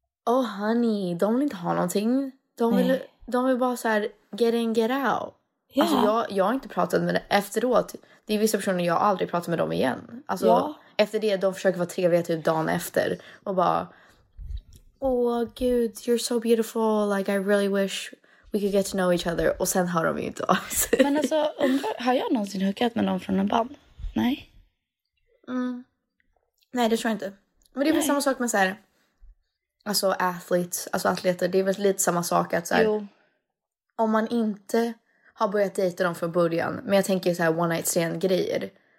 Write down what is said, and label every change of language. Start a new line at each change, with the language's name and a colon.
English: Oh honey,
Swedish: de vill inte ha någonting. De vill bara så här
English: get in, get out.
Swedish: Ja. Alltså jag har inte pratat med det efteråt. Det är vissa personer jag aldrig pratat med dem igen. Alltså ja. Efter det, de försöker vara trevliga typ dagen efter. Och bara... Åh, oh, gud,
English: you're so beautiful. Like, I really wish we could get to know each other.
Swedish: Och sen hör de ju inte av sig. Men alltså, har jag någonsin hookat med någon från en band? Nej. Mm. Nej, det tror jag inte. Men det är väl samma sak med så här... Alltså, atleter. Det är väl lite samma sak att så här... Jo. Om man inte har börjat dejta dem från början. Men jag tänker så här, one night stand grejer.